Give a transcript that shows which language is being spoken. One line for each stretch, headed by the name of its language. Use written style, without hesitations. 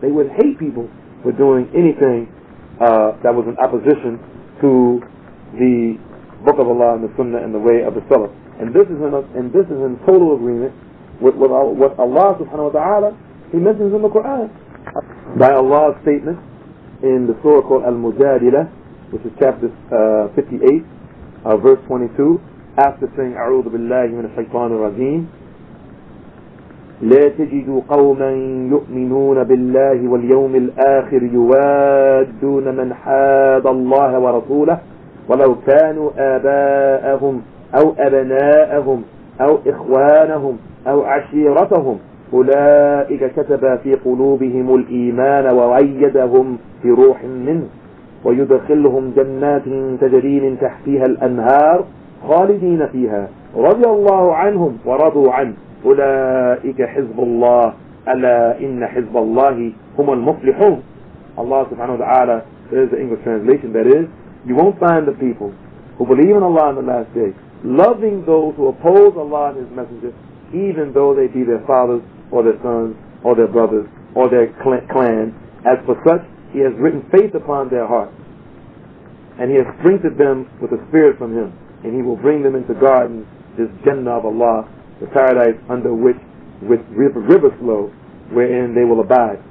English: They would hate people for doing anything that was in opposition to the book of Allah and the sunnah and the way of the salaf. And this is in total agreement with Allah subhanahu wa ta'ala, he mentions in the Quran. By Allah's statement in the surah called Al-Mujadila, which is chapter 58, verse 22, after saying,
Arabic: أعوذ بالله من الشيطان الرجيم, لا تجد قوما يؤمنون بالله واليوم الآخر يوادون من حاد الله ورسوله ولو كانوا آباءهم أو أبناءهم أو إخوانهم أو عشيرتهم أولئك كتب في قلوبهم الإيمان وأيدهم في روح منه ويدخلهم جنات تجري من تحتها الأنهار خالدين فيها رضي الله عنهم ورضوا عنه أولئك حزب الله ألا إن حزب الله هم المفلحون. الله سبحانه وتعالى,
English: there is the English translation, that is, you won't find the people who believe in Allah on the last day loving those who oppose Allah and His Messenger, even though they be their fathers or their sons or their brothers or their clan. As for such, He has written faith upon their hearts, and He has strengthened them with a spirit from Him, and He will bring them into garden, this Jannah of Allah, the paradise under which with rivers flow, wherein they will abide.